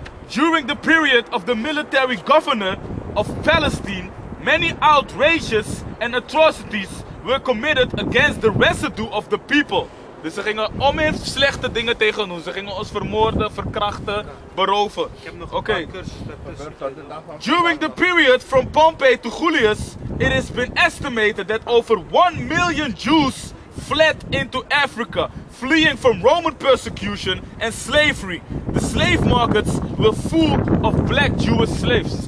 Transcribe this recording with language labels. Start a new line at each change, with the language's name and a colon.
English: During the period of the military governor of Palestine, many outrages and atrocities were committed against the residue of the people.
Dutch: Dus ze gingen omeens slechte dingen tegen ons. Ze gingen ons vermoorden, verkrachten, beroven.
English: During the period from Pompey to Julius, it has been estimated that over 1 million Jews fled into Africa, fleeing from Roman persecution and slavery. The slave markets were full of black Jewish slaves.